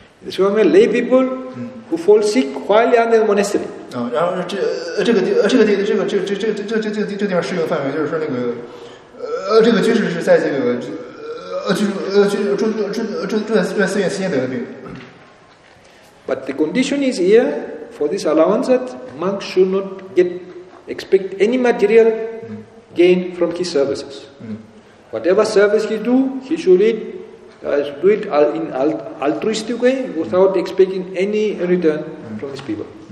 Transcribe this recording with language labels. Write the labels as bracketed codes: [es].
[en] So many lay people who fall sick while under the monastery. [zh] 然后这个地方适用范围就是说那个这个居士是在这个住在寺院期间得的病。 [en] But the condition is here for this allowance that monk should not expect any material gain from his services. Whatever service he do, he should eat. Do it in altruistic way without expecting any return from these people.